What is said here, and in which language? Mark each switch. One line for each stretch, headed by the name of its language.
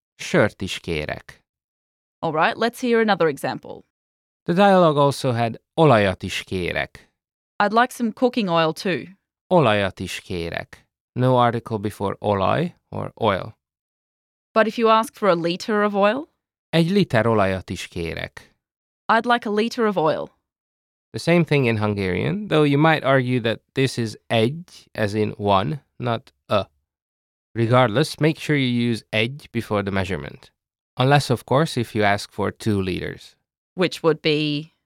Hungarian: Shirt is kérek.
English: All right, let's hear another example. The dialogue also had
Hungarian: olajat is kérek.
English: I'd like some cooking oil too.
Hungarian: Olajat is kérek.
English: No article before olaj or oil. But if you ask for a liter of oil?
Hungarian: Egy liter olajat is kérek.
English: I'd like a liter of oil. The same thing in Hungarian, though you might argue that this is egy, as in one, not a. Regardless, make sure you use egy before the measurement. Unless, of course, if you ask for 2 liters. Which would be?